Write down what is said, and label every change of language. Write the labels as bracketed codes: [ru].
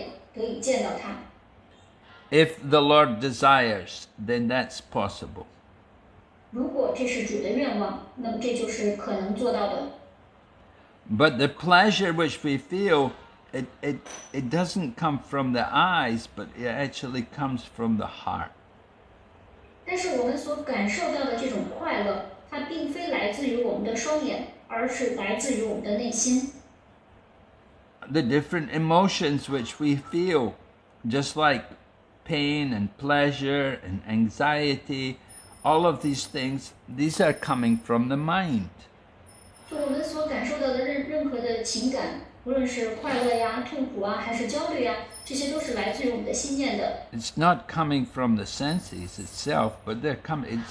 [zh] 但是呢，主的仁慈慈悲使得我们的肉眼得以见到他。 [en] If the Lord desires, then that's possible. [zh] 如果这是主的愿望，那么这就是可能做到的。 [en] But the pleasure which we feel, It doesn't come from the eyes, but it actually comes from the heart. [zh] 但是我们所感受到的这种快乐，它并非来自于我们的双眼，而是来自于我们的内心。 [en] The different emotions which we feel, just like pain and pleasure and anxiety, all of these things, these are coming from the mind. [zh] 就我们所感受到的任何的情感。无论是快乐呀、痛苦啊，还是焦虑呀，这些都是来自于我们的心念的。 [en] It's not coming from the senses itself, but they're coming.